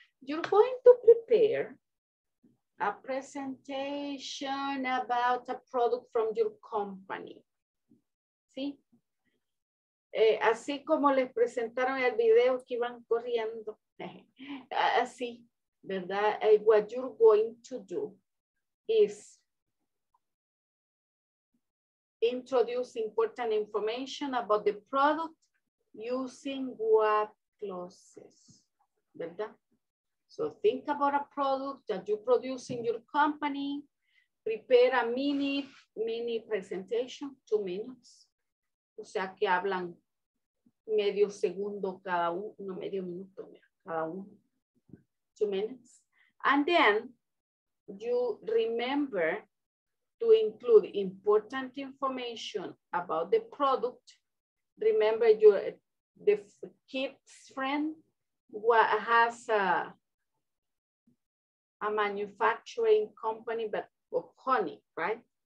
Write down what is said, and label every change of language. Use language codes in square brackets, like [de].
[en] You're going to prepare a presentation about a product from your company. [es] ¿Sí? Así como les presentaron el video que iban corriendo. Así, ¿verdad? [en] What you're going to do is introduce important information about the product using what clauses, ¿verdad? So think about a product that you produce in your company. Prepare a mini presentation, 2 minutes. [es] O sea, que hablan medio segundo cada uno, medio minuto cada uno, [en] 2 minutes. And then you remember to include important information about the product. Remember the kids' friend, what has a manufacturing company but of honey, right?